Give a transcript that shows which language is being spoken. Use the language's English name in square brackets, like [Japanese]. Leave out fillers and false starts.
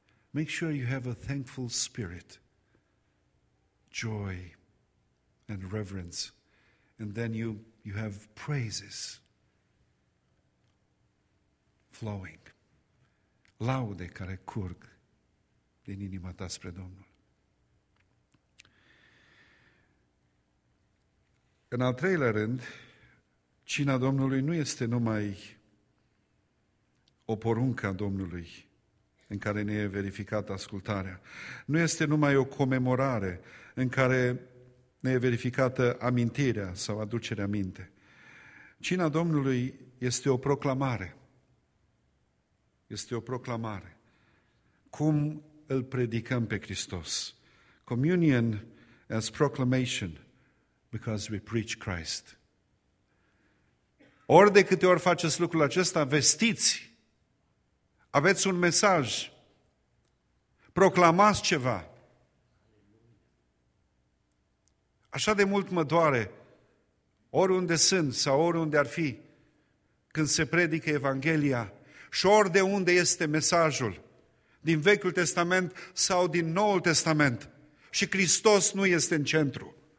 [English] Make sure you have a thankful spirit, joy, and reverence. And then you have praises flowing. [Romanian] Laude care curg din inima ta spre Domnul. În al treilea rând, cina Domnului nu este numai o poruncă a Domnului în care ne e verificată ascultarea. Nu este numai o comemorare în care ne e verificată amintirea sau aducerea minte. Cina Domnului este o proclamare. Este o proclamare. Cum îl predicăm pe Hristos? [English] Communion as proclamation, because we preach Christ. [Romanian] Ori de câte ori faceți lucrul acesta, vestiți. Aveți un mesaj. Proclamați ceva. Așa de mult mă doare, oriunde sunt sau oriunde ar fi, când se predică Evanghelia și ori de unde este mesajul, din Vechiul Testament sau din Noul Testament, și Hristos nu este în centru.